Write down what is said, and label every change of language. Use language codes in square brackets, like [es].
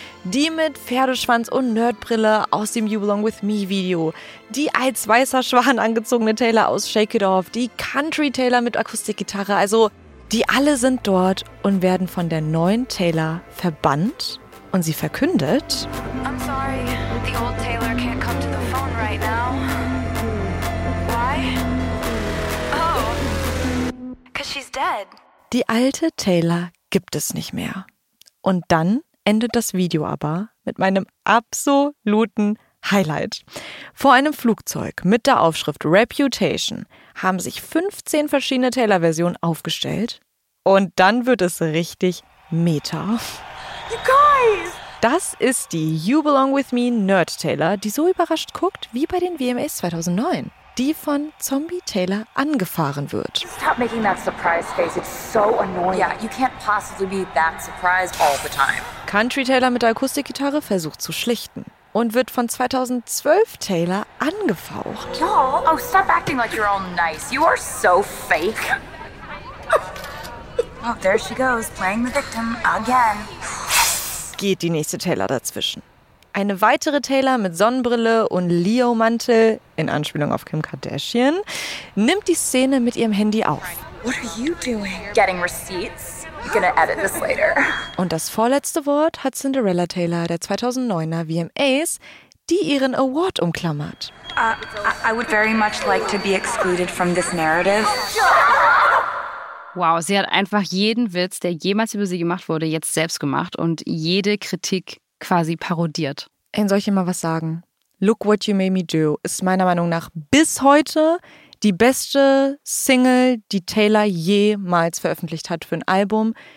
[de] Die mit Pferdeschwanz und Nerdbrille aus dem You Belong With Me Video. Die als weißer Schwan angezogene Taylor aus Shake It Off. Die Country-Taylor mit Akustikgitarre. Also die alle sind dort und werden von der neuen Taylor verbannt. Und sie verkündet... [en] I'm sorry, the old Taylor can't come to the phone right now. Why? Oh, 'cause she's dead. [de] Die alte Taylor gibt es nicht mehr. Und dann endet das Video aber mit meinem absoluten Highlight. Vor einem Flugzeug mit der Aufschrift Reputation haben sich 15 verschiedene Taylor-Versionen aufgestellt. Und dann wird es richtig meta. [en] You guys! [de] Das ist die You Belong With Me Nerd Taylor, die so überrascht guckt wie bei den VMAs 2009. Die von Zombie Taylor angefahren wird. [en] Stop making that surprise face. It's so annoying. Yeah, you can't possibly be that surprised all the time. [de] Country Taylor mit Akustikgitarre versucht zu schlichten und wird von 2012 Taylor angefaucht. [en] Y'all, oh, stop acting like you're all nice. You are so fake. Oh, there she goes, playing the victim again. [de] Geht die nächste Taylor dazwischen. Eine weitere Taylor mit Sonnenbrille und Leo-Mantel, in Anspielung auf Kim Kardashian, nimmt die Szene mit ihrem Handy auf. [en] What are you doing? Getting receipts. You're gonna edit this later. [de] Und das vorletzte Wort hat Cinderella Taylor, der 2009er VMAs, die ihren Award umklammert. [en] I would very much like to be excluded from this narrative. [de] Wow, sie hat einfach jeden Witz, der jemals über sie gemacht wurde, jetzt selbst gemacht und jede Kritik quasi parodiert. Ey, soll ich dir mal was sagen? Look What You Made Me Do ist meiner Meinung nach bis heute die beste Single, die Taylor jemals veröffentlicht hat für ein Album.